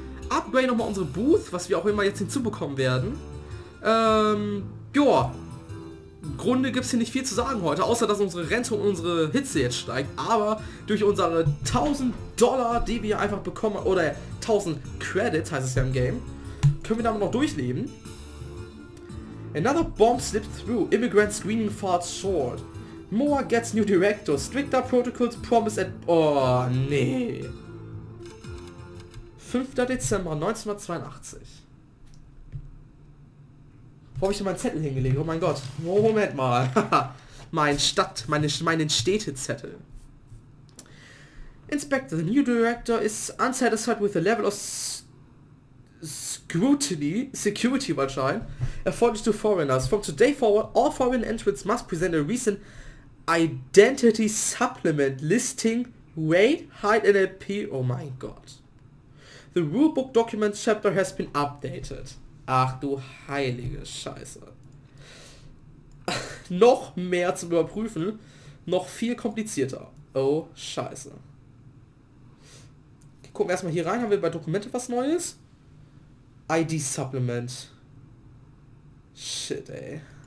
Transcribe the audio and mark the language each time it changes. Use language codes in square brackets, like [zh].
[de] Upgrade nochmal unsere Booth, was wir auch immer jetzt hinzubekommen werden. Im Grunde gibt es hier nicht viel zu sagen heute, außer dass unsere Rente und unsere Hitze jetzt steigt. Aber durch unsere 1000 Dollar, die wir einfach bekommen, oder 1000 Credits, heißt es ja im Game, können wir damit noch durchleben. [en] Another bomb slipped through. Immigrant screening falls short. Moa gets new director. Stricter protocols promise at... [de] Oh, nee. [en] 5. [de] Dezember 1982. Wo habe ich denn meinen Zettel hingelegt? Oh mein Gott. Moment mal. meinen Städtezettel. [en] Inspector, the new director is unsatisfied with the level of... Scrutiny, security [de] wahrscheinlich, [en] afforded to foreigners. From today forward, all foreign entrants must present a recent identity supplement listing weight, height and appeal. [de] Oh mein Gott. [en] The rulebook document chapter has been updated. [de] Ach du heilige Scheiße. Noch mehr zu überprüfen, noch viel komplizierter. Oh Scheiße. Gucken wir erstmal hier rein, haben wir bei Dokumente was Neues? [en] ID Supplement. Shit, ey.